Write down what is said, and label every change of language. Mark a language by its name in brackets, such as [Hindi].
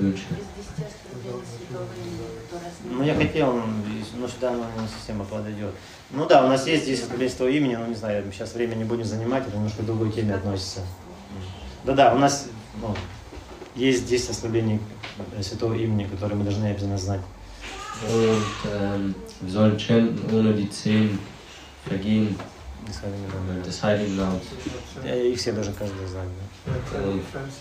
[Russian] действия святого имени, то раз... Ну, я хотел, но сюда, ну, не совсем подойдет. Ну да, у нас есть здесь святого имени, но не знаю, сейчас время не будем занимать, это немножко к другой теме относится. Да-да, у нас... Ну, есть 10 ослаблений святого имени, которые мы должны обязательно знать. [German] Und wir sollen chanten ohne die 10 Vergehen des Heiligen des Heiligen Namens. [Russian] Их все должны каждый знать, да?